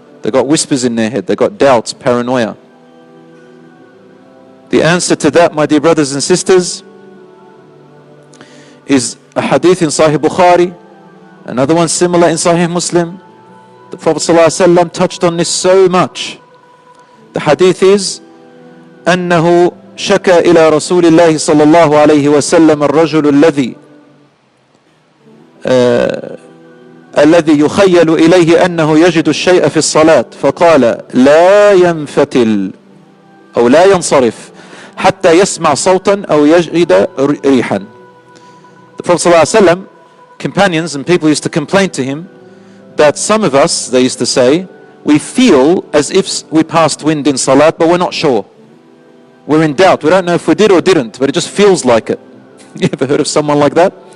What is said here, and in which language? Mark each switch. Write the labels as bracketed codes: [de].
[en] They've got whispers in their head. They've got doubts, paranoia. The answer to that, my dear brothers and sisters, is a hadith in Sahih Bukhari, another one similar in Sahih Muslim. The Prophet Sallallahu Alaihi Wasallam touched on this so much. The hadith is [ar] أنه شكى إلى رسول الله صلى الله عليه وسلم الرجل الذي الذي يخيل إليه أنه يجد الشيء في الصلاة فقال لا ينفتل أو لا ينصرف حتى يسمع صوتا أو يجد ريحا. [en] The Prophet صلى الله عليه وسلم, companions and people used to complain to him that some of us, they used to say, we feel as if we passed wind in salat, but we're not sure. We're in doubt. We don't know if we did or didn't, but it just feels like it. You ever heard of someone like that?